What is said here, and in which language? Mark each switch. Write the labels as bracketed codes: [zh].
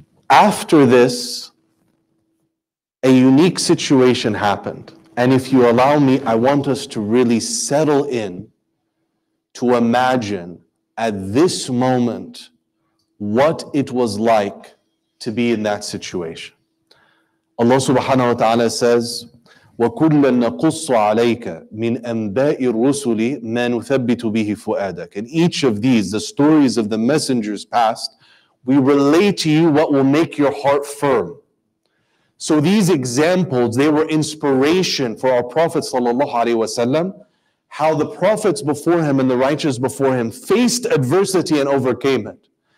[en] After this, a unique situation happened. And if you allow me, I want us to really settle in to imagine at this moment what it was like to be in that situation. Allah subhanahu wa ta'ala says, [ar] وَكُلَّا نَقُصُّ عَلَيْكَ مِنْ أَنْبَاءِ الرُّسُلِ مَا نُثَبِّتُ بِهِ فُؤَادَكَ. [en] And each of these, the stories of the messengers past, we relate to you what will make your heart firm. So these examples, they were inspiration for our Prophet sallallahu alaihi wasallam, how the prophets before him and the righteous before him faced adversity and overcame it.